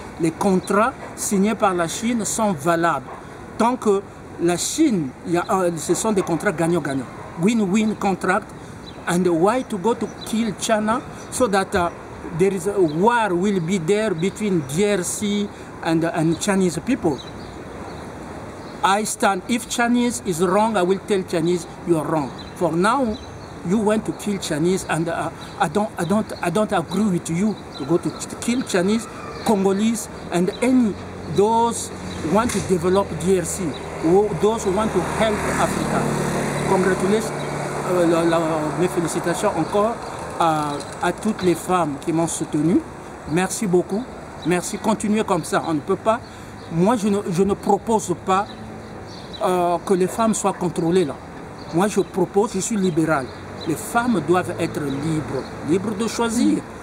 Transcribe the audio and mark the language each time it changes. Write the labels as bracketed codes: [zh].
[fr] Les contrats signés par la Chine sont valables tant que la Chine. Ce sont des contrats gagnant-gagnant. [en] Win-win contract, and why to go to kill China so that there is a war will be there between DRC and Chinese people. I stand, if Chinese is wrong, I will tell Chinese you are wrong. For now, you want to kill Chinese, and I don't agree with you to go to kill Chinese, Congolese, and any those who want to develop DRC, those who want to help Africa. Congratulations, [fr] mes félicitations encore à toutes les femmes qui m'ont soutenu. Merci beaucoup. Merci. Continuez comme ça. On ne peut pas. Moi, je ne propose pas que les femmes soient contrôlées là. Moi, je propose, je suis libéral. Les femmes doivent être libres, libres de choisir.